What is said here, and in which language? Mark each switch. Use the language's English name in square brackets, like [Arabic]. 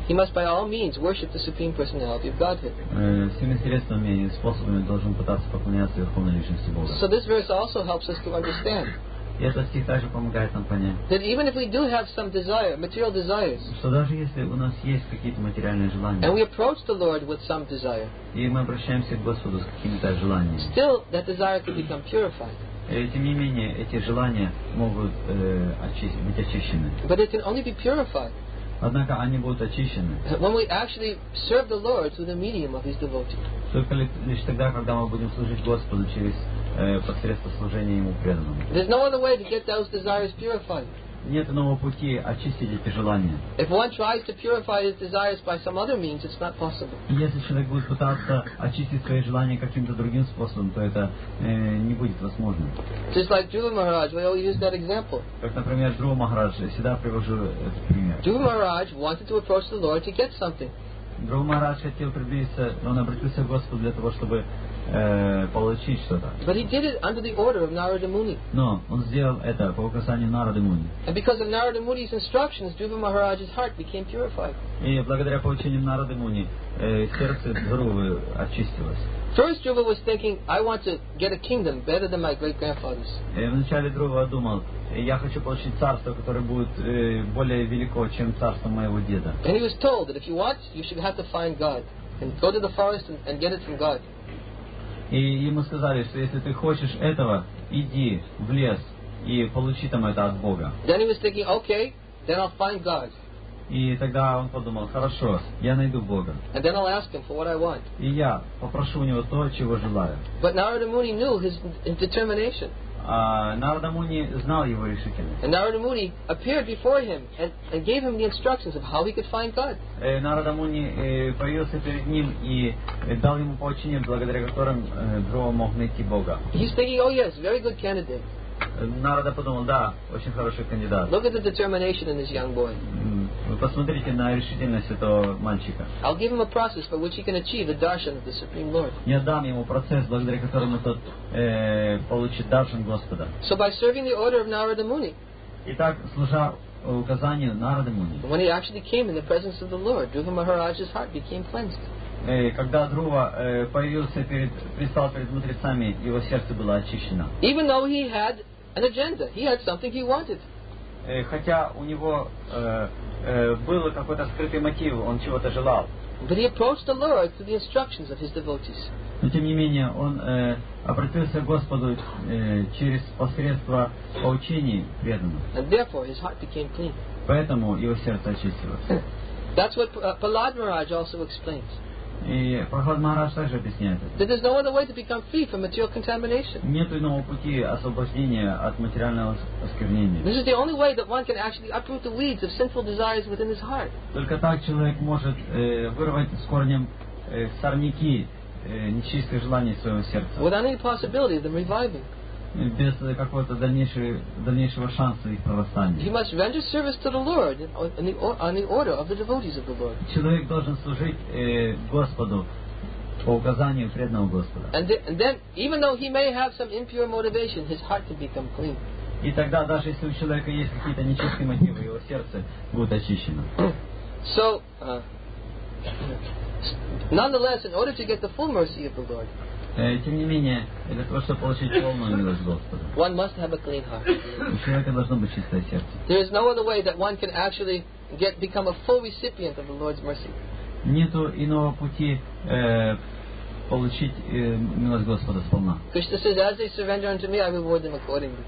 [English] he must by all means worship the Supreme Personality of Godhead. [Russian] Всеми средствами и способами должен пытаться поклоняться Верховной Личности Бога. [English] So this verse also helps us to understand. [Russian] И этот стих также помогает нам понять, [English] that even if we do have some desire, material desires, [Russian] что даже если у нас есть какие-то материальные желания, [English] and we approach the Lord with some desire, [Russian] и мы обращаемся к Господу с какими-то желаниями, [English] still that desire can become purified. [Russian] И тем не менее, эти желания могут быть очищены. [English] But it can only be purified. [Russian] Однако они будут очищены. [English] When we actually serve the Lord through the medium of His devotees. [Russian] Только лишь тогда, когда мы будем служить Господу через посредством служения Ему преданному. [English] There's no other way to get those desires purified. [Russian] Нет иного пути очистить эти желания. [English] If one tries to purify his desires by some other means, it's not possible. [Russian] Если человек будет пытаться очистить свои желания каким-то другим способом, то это не будет возможно. [English] Just like Dhruva Maharaj, we always use that example. [Russian] Как, например, Dhruva Maharaj, я всегда привожу этот пример. [English] Dhruva Maharaj wanted to approach the Lord to get something. [Russian] Dhruva Maharaj хотел приблизиться, он обратился к Господу для того, чтобы получить что-то. [English] But he did it under the order of Narada Muni. [Russian] Но он сделал это по указанию Нарады Муни. [English] And because of Narada Muni's instructions, Dhruva Maharaj's heart became purified. [Russian] И благодаря поручениям Нарады Муни сердце Дхрувы очистилось. [English] First, Dhruva was thinking, "I want to get a kingdom better than my great grandfather's." [Russian] Вначале Дхрува думал, я хочу получить царство, которое будет более велико, чем царство моего деда. [English] And he was told that if you want, you should have to find God and go to the forest and get it from God. [Russian] И ему сказали, что если ты хочешь этого, иди в лес и получи там это от Бога. [English] Then he was thinking, okay, then I'll find God. [Russian] И тогда он подумал, хорошо, я найду Бога. [English] And then I'll ask him for what I want. [Russian] И я попрошу у него то, чего желаю. [English] But Narada Muni knew his determination. [Russian] Narada Muni знал его решительность. [English] And Narada Muni appeared before him and gave him the instructions of how he could find God. [Russian] Narada Muni появился перед ним и дал ему поручение, благодаря которым Дхрува мог найти Бога. [English] He's thinking, oh yes, very good candidate. [Russian] Нарада подумал, да, очень хороший кандидат. [English] Look at the determination in this young boy. [Russian] Вы посмотрите на решительность этого мальчика. [English] I'll give him a process by which he can achieve the darshan of the Supreme Lord. [Russian] Я дам ему процесс, благодаря которому тот получит даршан Господа. [English] So by serving the order of Narada Muni. [Russian] Итак, служа указанию Нарады Муни. [English] When he actually came in the presence of the Lord, Dhruva Maharaj's heart became cleansed. [Russian] Когда Дхрува пристал перед мудрецами, его сердце было очищено. [English] Even though he had an agenda, he had something he wanted. [Russian] Хотя у него был какой-то скрытый мотив, он чего-то желал. [English] But he approached the Lord through the instructions of his devotees. [Russian] Но тем не менее, он обратился к Господу через посредство поучений преданных. [English] And therefore his heart became clean. [Russian] Поэтому его сердце очистилось. [English] That's what Prahlad Maharaj also explains. [Russian] И Прохлад Махарадж также объясняет это. [English] There is no other way to become free from material contamination. [Russian] Нет иного пути освобождения от материального осквернения. [English] This is the only way that one can actually uproot the weeds of sinful desires within his heart. [Russian] Только так человек может вырвать с корнем сорняки нечистых желаний в своем сердце. [English] Without any possibility of them reviving. [Russian] без какого-то дальнейшего шанса их правосудия. [English] He must render service to the Lord on the order of the devotees of the Lord. [Russian] Человек должен служить Господу по указанию преданного Господа. [English] And then, even though he may have some impure motivation, his heart can become clean. [Russian] И тогда, даже если у человека есть какие-то нечистые мотивы, его сердце будет очищено. [English] So, nonetheless, in order to get the full mercy of the Lord, [Russian] тем не менее, для того, чтобы получить полную милость Господа, [English] one must have a clean heart. [Russian] У человека должно быть чистое сердце. [English] There is no other way that one can actually become a full recipient of the Lord's mercy. [Russian] Нету иного пути получить милость Господа сполна. [English] Krishna says, as they surrender unto me, I reward them accordingly.